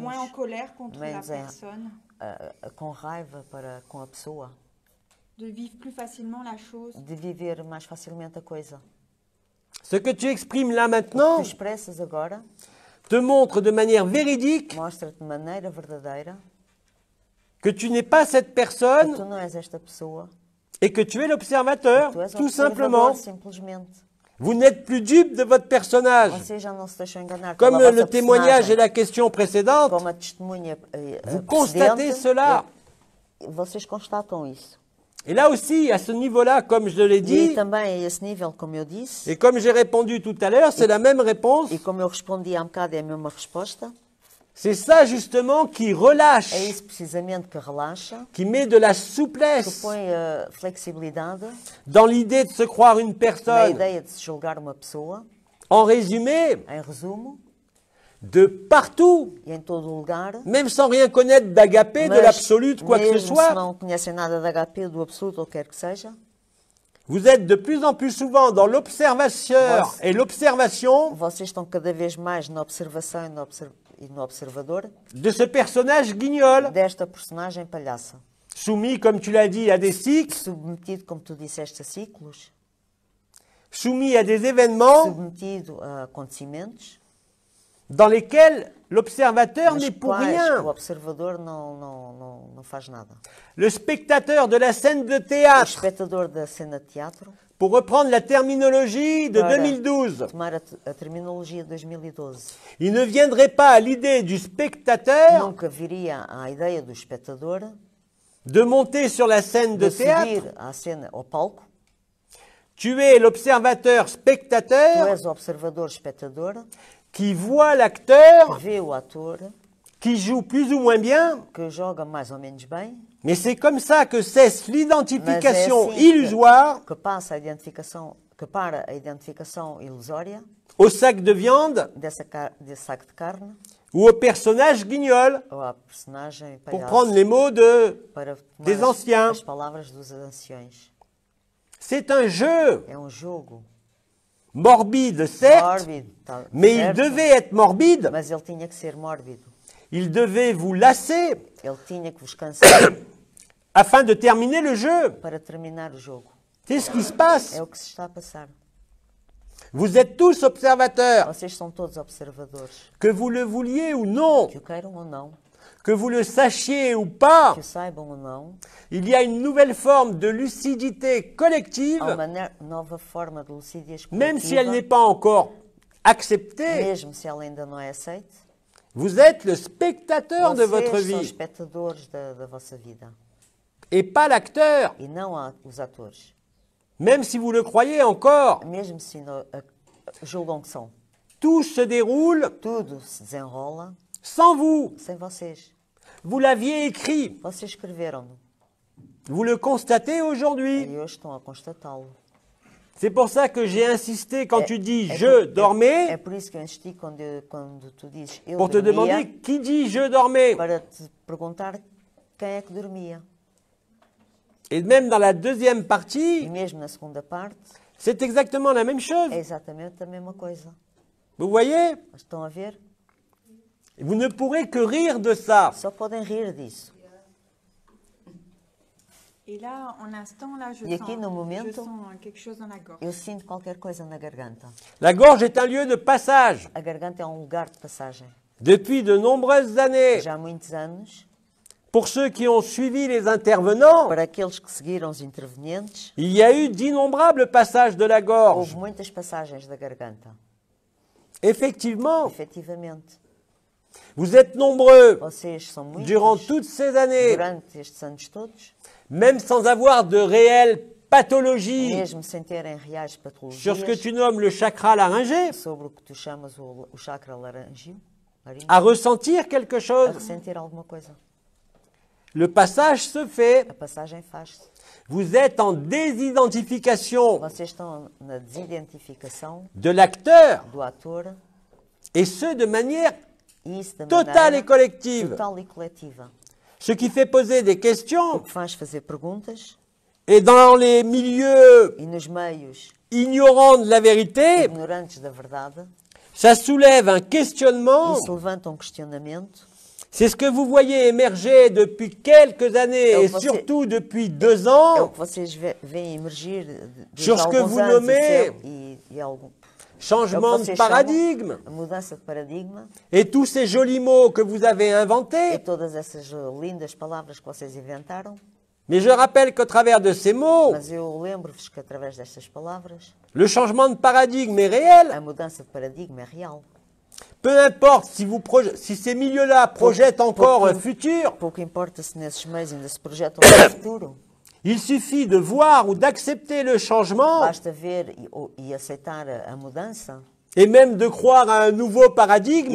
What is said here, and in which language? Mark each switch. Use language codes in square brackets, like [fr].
[fr] moins en colère contre [pt] menos [fr] la personne, [pt] com raiva para com a pessoa, [fr] de vivre plus facilement la chose, [pt] de viver mais facilmente a coisa. [fr] Ce que tu exprimes là maintenant, [pt] o que tu expressas agora, [fr] te montre de manière véridique, [pt] mostra-te de maneira verdadeira, [fr] que tu n'es pas cette personne, [pt] que tu não és esta pessoa. [fr] Et que tu es l'observateur, tout observateur, simplement. Vous n'êtes plus dupe de votre personnage. [pt] Enganar, [fr] comme le témoignage et la question précédente, vous constatez cela. [pt] Vocês constatam isso. [fr] Et là aussi, à ce niveau-là, comme je l'ai dit, et, [pt] também, [fr] à ce niveau, comme [pt] eu disse, [fr] et comme j'ai répondu tout à l'heure, c'est la même réponse. Et comme [pt] eu respondi há um bocado, é a mesma resposta. [fr] C'est ça justement qui relâche, [pt] é isso precisamente que relaxa, [fr] qui met de la souplesse, [pt] que põe, flexibilidade, [fr] dans l'idée de se croire une personne, [pt] na ideia de se julgar uma pessoa. [fr] En résumé, [pt] em resumo, [fr] de partout, [pt] e em todo lugar, [fr] même sans rien connaître d'agapé, de l'absolu, de quoi que ce soit, [pt] se não conhecem nada d'agapé, do absoluto, ou quer que seja, [fr] vous êtes de plus en plus souvent dans l'observateur et l'observation, [pt] vocês estão cada vez mais na observação e na observação. E no observador, [fr] de ce personnage guignol, [pt] desta personagem palhaça, [fr] soumis, comme tu l'as dit, à des cycles, [pt] submetido, como tu disseste, a ciclos, [fr] soumis à des événements, [pt] submetido a acontecimentos, [fr] dans lesquels l'observateur n'est pour rien, [pt] o observador não faz nada, [fr] le spectateur de la scène de théâtre, [pt] o espectador da cena de teatro, [fr] pour reprendre la terminologie de [pt] 2012. A terminologia de 2012. [fr] Il ne viendrait pas à l'idée du spectateur. [pt] Nunca viria à ideia do espectador. [fr] De monter sur la scène de théâtre. [pt] À cena, ao palco. [fr] Tu es l'observateur spectateur. [pt] Tu es observador espectador. [fr] Qui voit l'acteur. [pt] Vê o ator. [fr] Qui joue plus ou moins bien. [pt] Que joga mais ou menos bem. [fr] Mais c'est comme ça que cesse l'identification illusoire. [pt] Que passa a identificação, que para a identificação ilusória. [fr] Au sac de viande. [pt] Desse sac de carne. [fr] Ou au personnage guignol. [pt] Ou à personagem palhaço, [fr] pour prendre les mots de, [pt] para [fr] des anciens. [pt] As palavras dos anciões. [fr] C'est un jeu. [pt] É jogo. [fr] Morbide, certes. [pt] Morbide, tá, [fr] mais [pt] certo. [fr] Il devait être morbide. [pt] Mas ele tinha que ser mórbido. [fr] Il devait vous lasser. [pt] Ele tinha que vos cansar. [fr] Afin de terminer le jeu. [pt] Para terminar o jogo. [fr] C'est ce qui se passe. [pt] É o que se está a passar. [fr] Vous êtes tous observateurs. [pt] Vocês são todos observadores. [fr] Que vous le vouliez ou non. [pt] Que o queiram ou não. [fr] Que vous le sachiez ou pas. [pt] Que o saibam ou não. [fr] Il y a une nouvelle forme de lucidité collective. [pt] Há uma nova forma de lucidez coletiva. [fr] Même si elle n'est pas encore acceptée. [pt] Mesmo se ela ainda não é aceita. [fr] Vous êtes le spectateur [pt] vocês [fr] de votre vie. [pt] Vocês são espectadores da vossa vida. [fr] Et pas l'acteur. [pt] E não os atores. [fr] Même si vous le croyez encore. [pt] Mesmo se julgam que são. [fr] Tout se déroule. [pt] Tudo se desenrola. [fr] Sans vous. [pt] Sem vocês. [fr] Vous l'aviez écrit. [pt] Vocês escreveram. [fr] Vous le constatez aujourd'hui. [pt] E hoje estão a constatá-lo. [fr] C'est pour ça que j'ai insisté quand tu dis « je dormais » pour te demander qui dit « je dormais » [pt] para te perguntar quem é que dormia. [fr] Et même dans la deuxième partie, [pt] mesmo na segunda parte, [fr] c'est exactement la même chose. [pt] É exatamente a mesma coisa. [fr] Vous voyez? [pt] Estão a ver? [fr] Vous ne pourrez que rire de ça. [pt] Só podem rir disso. [fr] Et là, en instant, là, je, [pt] aqui, [fr] sens, [pt] momento, [fr] je sens quelque chose dans la gorge. [pt] Eu sinto qualquer coisa na garganta. [fr] La gorge est un lieu de passage. [pt] A garganta é um lugar de passagem. [fr] Depuis de nombreuses années. [pt] Já há muitos anos. [fr] Pour ceux qui ont suivi les intervenants. [pt] Para aqueles que seguiram os intervenientes. [fr] Il y a eu d'innombrables passages de la gorge. [pt] Houve muitas passagens da garganta. [fr] Effectivement. [pt] Effectivamente. [fr] Vous êtes nombreux. [pt] Vocês são muitos. [fr] Durant toutes ces années. [pt] Durante estes anos todos. [fr] Même sans avoir de réelles pathologies, [pt] mesmo sem terem reais patologias, [fr] sur ce que tu nommes le chakra laryngé, [pt] sobre o que tu chamas o chakra laryngeo, [fr] à ressentir quelque chose, [pt] a ressentir alguma coisa. [fr] Le passage se fait. [pt] A passagem faz-se. [fr] Vous êtes en désidentification, [pt] vocês estão na desidentificação [fr] de l'acteur, [pt] do ator, [fr] et ce de manière [pt] isso [fr] totale et collective. [pt] Total e coletiva. [fr] Ce qui fait poser des questions. [pt] O que faz fazer perguntas. [fr] Et dans les milieux. [pt] E nos meios. [fr] Ignorants de la vérité. [pt] Ignorantes da verdade. [fr] Ça soulève un questionnement. [pt] Isso levanta questionamento. [fr] C'est ce que vous voyez émerger depuis quelques années et surtout depuis deux ans. [pt] É o que vocês veem emergir [fr] depuis [pt] alguns anos. [fr] Sur ce que vous nommez. Changement de paradigme. [pt] Mudança de paradigma. [fr] Et tous ces jolis mots que vous avez inventés. [pt] E todas essas lindas palavras que vocês inventaram. [fr] Mais je rappelle qu'au travers de ces mots. [pt] Mas eu lembro-vos que através destas palavras. [fr] Le changement de paradigme est réel. [pt] A mudança de paradigma é real. [fr] Peu importe si vous si ces milieux-là projettent encore un futur. [pt] Pouco importa se nesses meios ainda se projetam um futuro. [fr] Il suffit de voir ou d'accepter le changement. [pt] Basta ver e aceitar a mudança. [fr] Et même de croire à un nouveau paradigme.